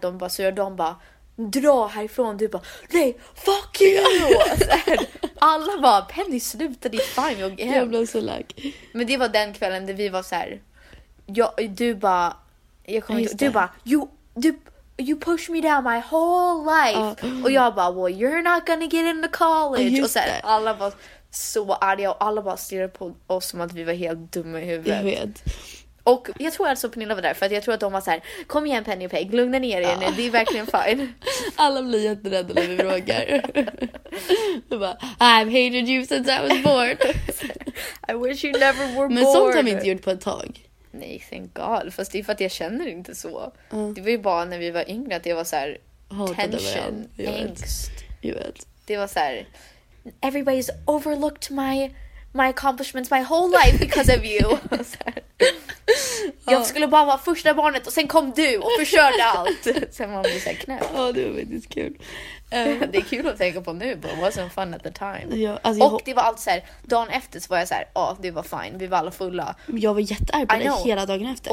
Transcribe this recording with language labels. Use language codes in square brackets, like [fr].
[sv] De bara, så gör de bara, dra härifrån. Du bara, nej, [en] fuck you. [sv] Här, alla bara, Penny sluta, det är fine. Jag blev så lack. Men det var den kvällen där vi var så här, du bara, jag kommer inte, du bara, [en] you push me down my whole life. [sv] Och jag bara, [en] well you're not gonna get into college. [sv] Och sen alla var så arga och alla bara stirrade på oss som att vi var helt dumma i huvudet. Jag vet. Och jag tror alltså Pernilla var där, för att jag tror att de var så här, kom igen Penny och Peg, lugna ner er nu, det är verkligen fine. Alla blir jätterädda när vi frågar. Bara, [en] I've hated you since I was born. I wish you never were born. [sv] Men sånt har vi inte gjort på ett tag. Nej, [en] thank god. [sv] Fast det är för att jag känner inte så. Det var ju bara när vi var yngre att det var så här, tension, angst. [en] You [sv] vet. Det var så här, [en] everybody's overlooked my accomplishments my whole life because of you. [sv] Jag skulle bara vara första barnet och sen kom du och förkörde allt. Sen var det så här knäpp. Ja, det var väldigt kul. Det är kul att tänka på nu, [en] but it wasn't fun at the time. [sv] Ja, alltså och det var allt så här, dagen efter så var jag så här, det var fine, vi var alla fulla. Jag var jättearg på dig hela dagen efter.